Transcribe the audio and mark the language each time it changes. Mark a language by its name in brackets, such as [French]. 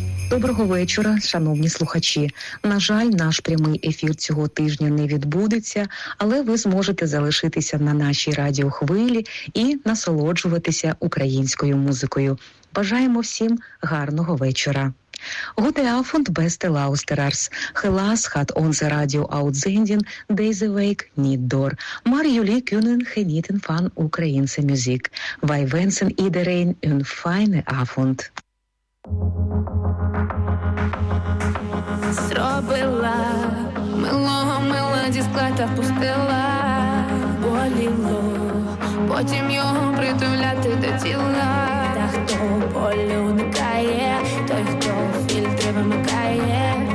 [Ukrainian] Доброго вечора, шановні слухачі. На жаль, наш прямий ефір цього тижня не відбудеться, але ви зможете залишитися на нашій радіохвилі і насолоджуватися українською музикою. Бажаємо всім гарного вечора. [Dutch] Gute Abend, beste Lausterers. Helaas gaat onze radio uitzending deze week niet door. Maar jullie kunnen genieten van Oekraïense muziek. Wij wensen iedereen een fijne avond. [Ukrainian] Зробила милого мила зі скла та впустила. Боліло, потім його притуляти до тіла. Та хто болю уникає, той, хто фільтри вимикає.